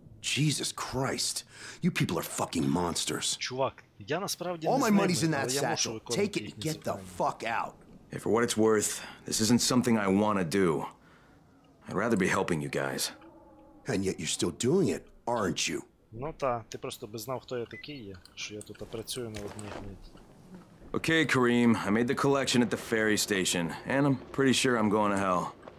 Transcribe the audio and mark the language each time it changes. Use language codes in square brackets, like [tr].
[en] Jesus Christ. You people are fucking monsters. [uk] Чувак, я насправді не. [en] All my money's in that satchel. Take it and get the fuck out. Hey, for what it's worth, this isn't something I want to do. I'd rather be helping you guys. And yet you're still doing it, aren't you? [uk] Ну та, ти просто би знав, хто я такий, що я тут працюю на одних нить. [en] Okay, Kareem, I made the collection at the ferry station, and I'm pretty sure I'm going to hell.